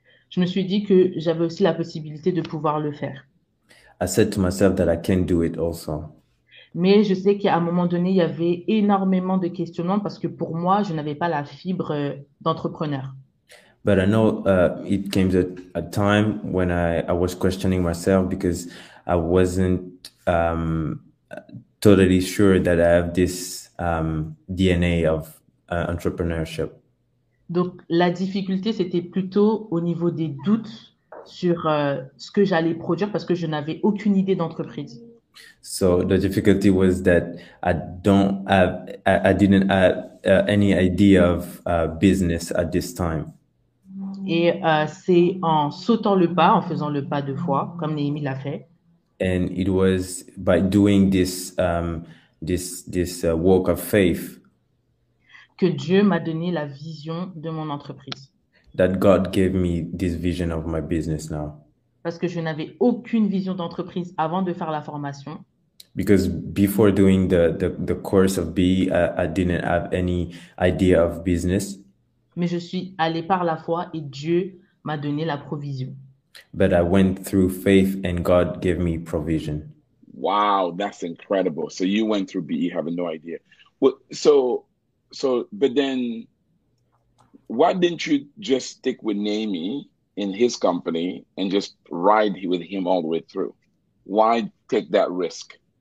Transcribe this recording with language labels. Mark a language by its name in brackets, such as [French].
[French] je me suis dit que j'avais aussi la possibilité de pouvoir le faire. [English] I said to myself that I can do it also. [French] Mais je sais qu'à un moment donné, il y avait énormément de questionnements parce que pour moi, je n'avais pas la fibre d'entrepreneur. [English] But I know it came a time when I was questioning myself because I wasn't totally sure that I have this DNA of entrepreneurship. [French] Donc la difficulté, c'était plutôt au niveau des doutes sur ce que j'allais produire parce que je n'avais aucune idée d'entreprise. [English] So the difficulty was that I didn't have any idea of business at this time. [French] Et c'est en sautant le pas, en faisant le pas deux fois, comme Naomi l'a fait. [English] And it was by doing this walk of faith. [French] Que Dieu m'a donné la vision de mon entreprise. [English] That God gave me this vision of my business now. [French] Parce que je n'avais aucune vision d'entreprise avant de faire la formation. [English] Because before doing the course of BE, I didn't have any idea of business. [French] Mais je suis allé par la foi et Dieu m'a donné la provision. [English] But I went through faith and God gave me provision. Wow, that's incredible. So you went through BE having no idea. Well, so but then why didn't you just stick with Naomi in his company and just ride with him all the way through? Why take that risk?